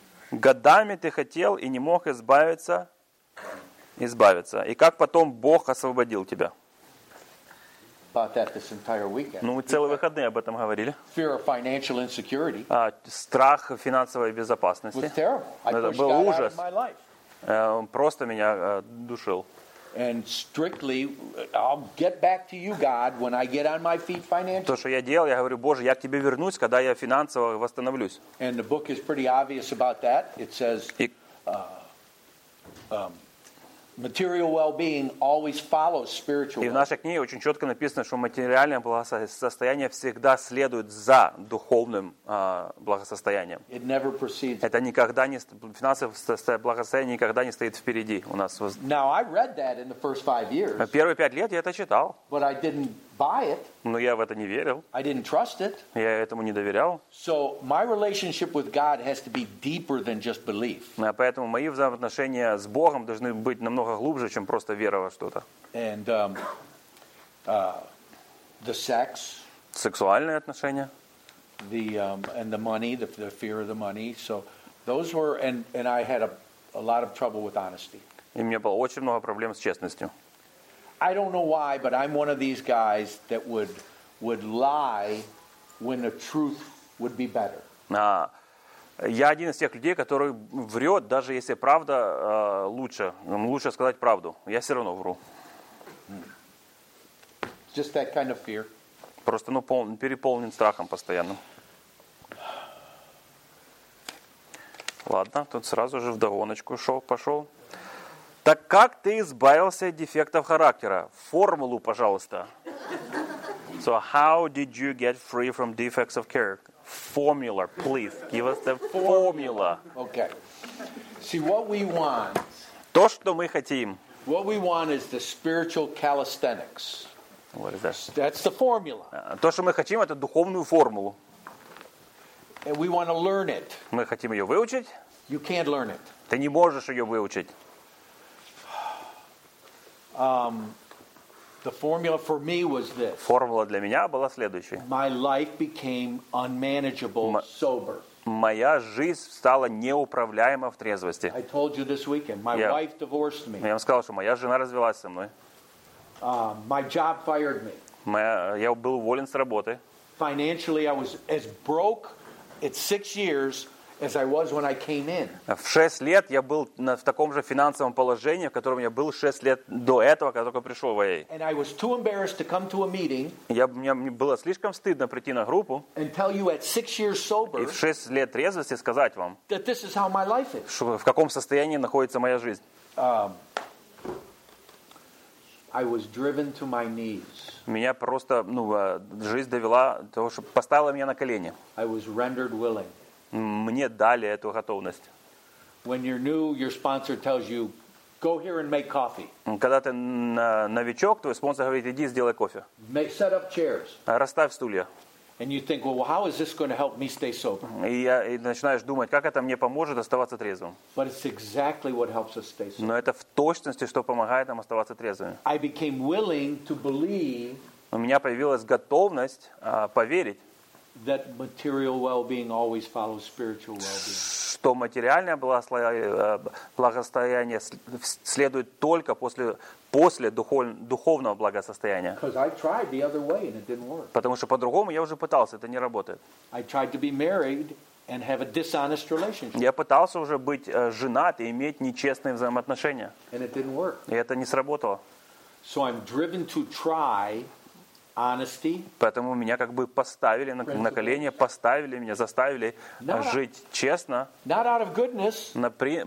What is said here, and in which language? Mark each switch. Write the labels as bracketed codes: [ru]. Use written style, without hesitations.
[ru] Годами ты хотел и не мог избавиться. И как потом Бог освободил тебя? [en] About that this entire weekend. [ru] Ну, целые выходные об этом говорили. [en] Fear of financial insecurity. [ru] Страх финансовой безопасности. [en] Was terrible. [ru] Это был ужас. Просто меня душил. [en] And strictly, I'll get back to you, God, when I get on my feet financially. [ru] То, что я делал, я говорю, Боже, я к тебе вернусь, когда я финансово восстановлюсь. [en] And the book is pretty obvious about that. It says, material well-being always follows spiritual. [ru] И в нашей книге очень четко написано, что материальное благосостояние всегда следует за духовным благосостоянием. [en] It never precedes. [ru] Это никогда не финансовое благосостояние никогда не стоит впереди у нас. [en] Now I read that in the first 5 years. [ru] Первые 5 лет я это читал. [en] But I didn't buy it. [ru] Но я в это не верил. [en] I didn't trust it. [ru] Я этому не доверял. [en] So my relationship with God has to be deeper than just belief. [ru] Поэтому мои взаимоотношения с Богом должны быть намного глубже, чем просто вера во что-то. [en] And the sex. [ru] Сексуальные отношения. [en] The and the money, the fear of the money. So those were and I had a lot of trouble with honesty. [ru] И у меня было очень много проблем с честностью. [en] I don't know why, but I'm one of these guys that would lie when the truth would be better. [ru] Я один из тех людей, который врет, даже если правда лучше. Лучше сказать правду. Я все равно вру. Just that kind of fear. Просто переполнен страхом постоянно. Ладно, тут сразу же вдогоночку пошел. Так как ты избавился от дефектов характера? Формулу, пожалуйста. [en] So how did you get free from defects of character? Formula, please. Give us the formula. Okay. See, what we want... [ru] То, что мы хотим. [en] What we want is the spiritual calisthenics. What is that? That's the formula. [ru] То, что мы хотим, это духовную формулу. [en] And we want to learn it. [ru] Мы хотим ее выучить. [en] You can't learn it. [ru] Ты не можешь ее выучить. [en] The formula for me was this. [ru] Формула для меня была следующей. [en] My life became unmanageable sober. [ru] Моя жизнь стала неуправляема в трезвости. [en] I told you this weekend. My wife divorced me. [ru] Я вам сказал, что моя жена развелась со мной. [en] My job fired me. [ru] Я был уволен с работы. [en] Financially, I was as broke at 6 years. As I was when I came in. [ru] В 6 лет я был в таком же финансовом положении, в котором я был 6 лет до этого, когда только пришел в АЭ. [en] And I was too embarrassed to come to a meeting. [ru] Мне было слишком стыдно прийти на группу. [en] And tell you at 6 years sober. [ru] И в 6 лет трезвости сказать вам. [en] That this is how my life is. [ru] Что в каком состоянии находится моя жизнь. [en] I was driven to my knees. [ru] Меня просто, жизнь довела до того, что поставила меня на колени. [en] I was rendered willing. [ru] Мне дали эту готовность. Когда ты новичок, твой спонсор говорит, иди сделай кофе. [en] Set up chairs. [ru] Расставь стулья. [en] And you think, well, how is this going to help me stay sober? [ru] И начинаешь думать, как это мне поможет оставаться трезвым. [en] But it's exactly what helps us stay sober. [ru] Но это в точности, что помогает нам оставаться трезвыми. [en] I became willing to believe. [ru] У меня появилась готовность поверить. [en] That material well-being always follows spiritual well-being. [ru] Что материальное благосостояние следует только после духовного благосостояния. [en] Because I tried the other way and it didn't work. [ru] Потому что по-другому я уже пытался, это не работает. [en] I tried to be married and have a dishonest relationship. [ru] Я пытался уже быть женат и иметь нечестные взаимоотношения. [en] And it didn't work. [ru] И это не сработало. [en] So I'm driven to try. honesty. [ru] Поэтому меня как бы поставили на колени, поставили меня, заставили жить честно. [en] Not out of goodness.